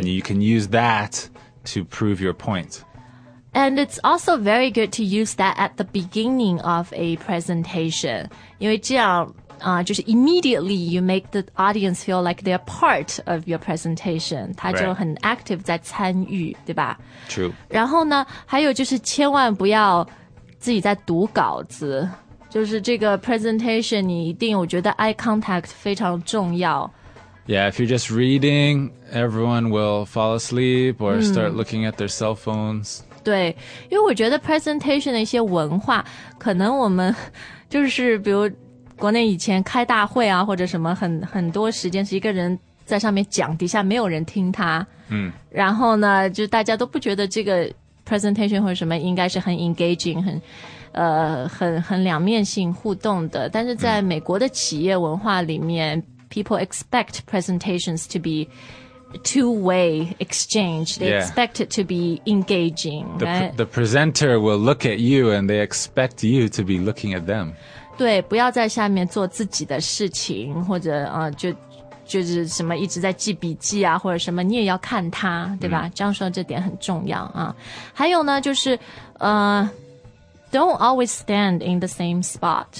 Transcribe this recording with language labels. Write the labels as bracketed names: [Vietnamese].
[English] And you can use that to prove your point. And it's also very good to use that at the beginning of a presentation. [Chinese] 因为这样就是 [English] immediately you make the audience feel like they're part of your presentation. [Chinese] 他就很 active 在参与对吧 [English] True. [Chinese] 然后呢还有就是千万不要自己在读稿子。就是这个 presentation, 你一定我觉得 eye contact 非常重要。 [English] Yeah, if you're just reading, everyone will fall asleep or start looking at their cell phones. [Chinese] 对因为我觉得 presentation 的一些文化可能我们就是比如国内以前开大会啊或者什么很多时间是一个人在上面讲底下没有人听他然后呢就大家都不觉得这个 presentation 或者什么应该是很 engaging 很两面性互动的但是在美国的企业文化里面 [English] people expect presentations to be two-way exchange. They expect it to be engaging. The presenter will look at you and they expect you to be looking at them. [Chinese] 对不要在下面做自己的事情或者就是什么一直在记笔记啊或者什么你也要看他对吧这样说这点很重要啊。还有呢就是 [English] don't always stand in the same spot.